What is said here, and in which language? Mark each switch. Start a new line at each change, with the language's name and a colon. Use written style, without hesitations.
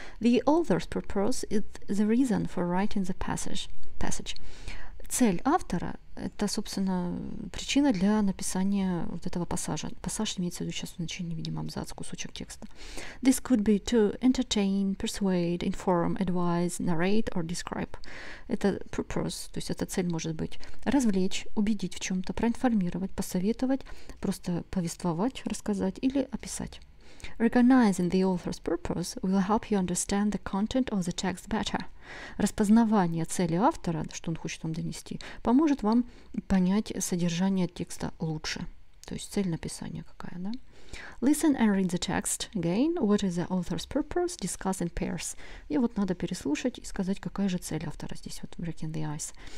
English: The author's purpose is the reason for writing the passage.
Russian: Цель автора – это, собственно, причина для написания вот этого пассажа. Пассаж имеется в виду сейчас значение, видимо, абзац, кусочек текста.
English: This could be to entertain, persuade, inform, advise, narrate or describe.
Russian: Это purpose, то есть эта цель может быть развлечь, убедить в чем-то, проинформировать, посоветовать, просто повествовать, рассказать или описать.
English: Recognizing the author's purpose will help you understand the content of the text better.
Russian: Распознавание цели автора, что он хочет вам донести, поможет вам понять содержание текста лучше. То есть цель написания какая, да?
English: Listen and read the text again. What is the author's purpose? Discuss in pairs.
Russian: И вот надо переслушать и сказать, какая же цель автора здесь, вот
English: breaking the ice.